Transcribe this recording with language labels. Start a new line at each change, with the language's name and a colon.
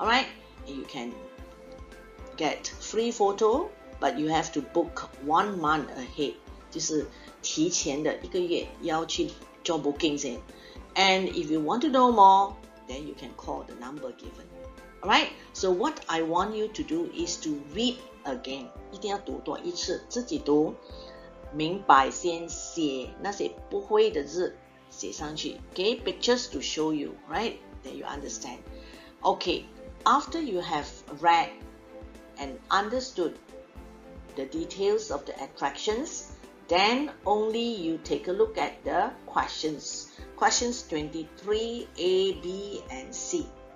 English: Alright, you can get free photo, but you have to book 1 month ahead.
Chinese: 就是提前的一个月要去做 bookings.
English: And if you want to know more, then you can call the number given. Alright, so what I want you to do is to read again.
Chinese: 一定要读多一次, 自己读, 明白先写那些不会的字, 写上去, okay?
English: Pictures to show you, right? That you understand. Okay, after you have read and understood the details of the attractions, then only you take a look at the questions. Questions 23, A, B, and C.